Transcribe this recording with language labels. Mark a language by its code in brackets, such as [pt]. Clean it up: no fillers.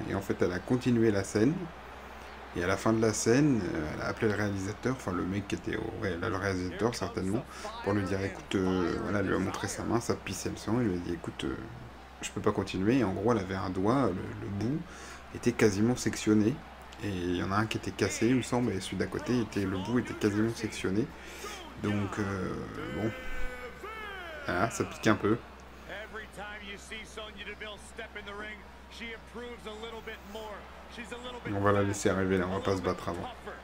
[fr] Et en fait, elle a continué la scène. Et à la fin de la scène, elle a appelé le réalisateur, enfin le mec qui était au réel, le réalisateur certainement, pour lui dire, écoute, voilà, elle lui a montré sa main, ça pissait le sang, il lui a dit, écoute... Je peux pas continuer, et en gros elle avait un doigt, le bout était quasiment sectionné, et il y en a un qui était cassé il me semble, et celui d'à côté, le bout était quasiment sectionné, donc bon, ah, ça pique un peu. [en] Every time you see Sonya Deville step in the ring, she improves a little bit more. She's a little bit... [fr] On va la laisser arriver là, on va pas se battre avant.